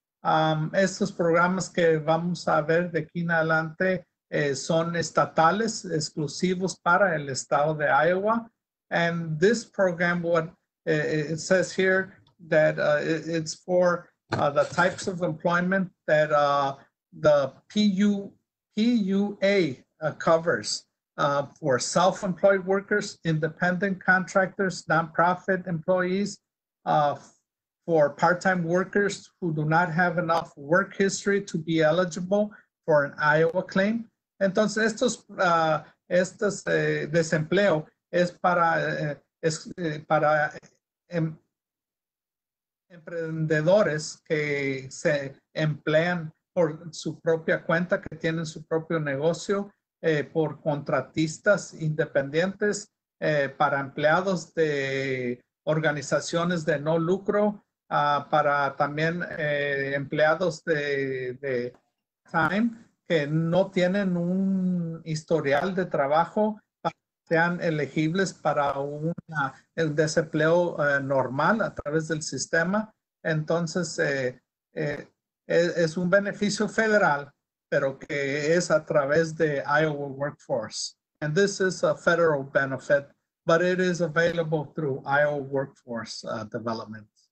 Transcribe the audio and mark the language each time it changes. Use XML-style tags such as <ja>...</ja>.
<es>Estos programas que vamos a ver de aquí en adelante son estatales, exclusivos para el estado de Iowa.</es> <en>And this program, what it says here, that it's for the types of employment that the PUA covers for self-employed workers, independent contractors, nonprofit employees, for part-time workers who do not have enough work history to be eligible for an Iowa claim.</en> <es>Entonces, estos desempleo es para emprendedores que se emplean por su propia cuenta, que tienen su propio negocio, por contratistas independientes, para empleados de organizaciones de no lucro, para también empleados de time que no tienen un historial de trabajo, sean elegibles para el desempleo normal a través del sistema. Entonces, es un beneficio federal, pero que es a través de Iowa Workforce.</es> <en>And this is a federal benefit, but it is available through Iowa Workforce Development.</en>